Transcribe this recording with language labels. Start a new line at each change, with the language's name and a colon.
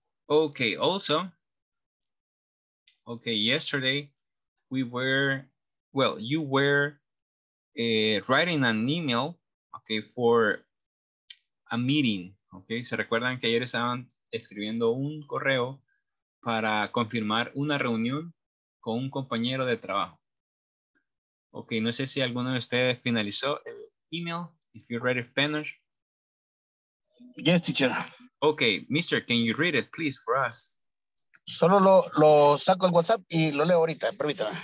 English: Okay, also, okay, yesterday we were, well, you were writing an email, okay, for a meeting, okay?
Spanish: ¿Se recuerdan que ayer estaban escribiendo un correo para confirmar una reunión con un compañero de trabajo? Ok, no sé si alguno de ustedes finalizó el email.
English: If you're ready, finish. Yes, teacher. Ok, mister, can you read it, please, for us?
Spanish: Solo lo saco el WhatsApp y lo leo ahorita, permítame.